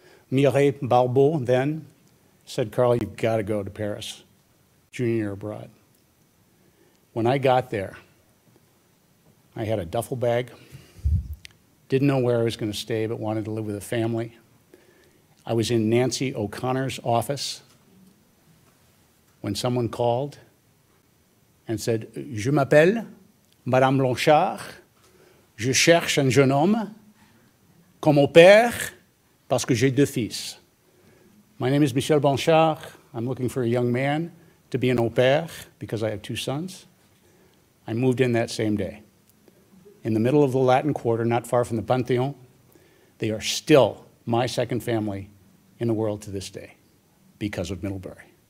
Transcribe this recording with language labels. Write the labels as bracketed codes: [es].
[en] Mireille Barbeau then said, Carl, you've got to go to Paris, junior year abroad. When I got there, I had a duffel bag, didn't know where I was going to stay, but wanted to live with a family. I was in Nancy O'Connor's office when someone called and said, [fr] Je m'appelle Madame Blanchard, je cherche un jeune homme comme au père, parce que j'ai deux fils. [en] My name is Michel Blanchard. I'm looking for a young man to be an au pair because I have two sons. I moved in that same day. In the middle of the Latin Quarter, not far from the Pantheon, they are still my second family in the world to this day because of Middlebury.